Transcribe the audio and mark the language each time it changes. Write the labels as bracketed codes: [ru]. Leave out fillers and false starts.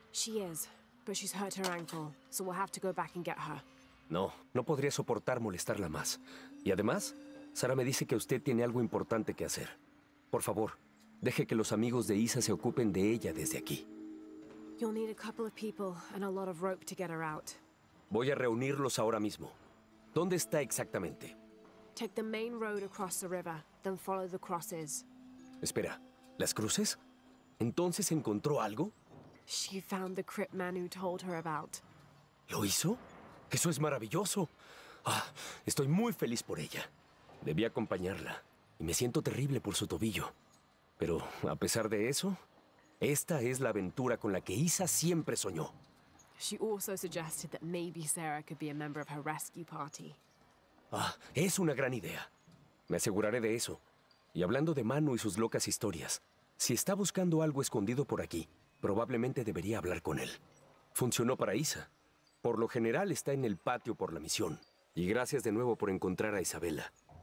[en] She is, but she's hurt her ankle, so we'll have to go back and get her. [es] No, no podría soportar molestarla más. Y además, Sara me dice que usted tiene algo importante que hacer. Por favor, deje que los amigos de Isa se ocupen de ella desde aquí. [en] You'll need a couple of people and a lot of rope to get her out. [es] Voy a reunirlos ahora mismo. ¿Dónde está exactamente? [en] Take the main road across the river, then follow the crosses. [es] Espera, ¿las cruces? ¿Entonces encontró algo? [en] She found the crypt Manu told her about. [es] ¿Lo hizo? ¡Eso es maravilloso! Ah, estoy muy feliz por ella. Debí acompañarla, y me siento terrible por su tobillo. Pero, a pesar de eso, esta es la aventura con la que Isa siempre soñó. [en] She also suggested that maybe Sarah could be a member of her rescue party. [es] Ah, es una gran idea. Me aseguraré de eso. Y hablando de Manu y sus locas historias, si está buscando algo escondido por aquí, probablemente debería hablar con él. Funcionó para Isa. Por lo general está en el patio por la misión. Y gracias de nuevo por encontrar a Isabella.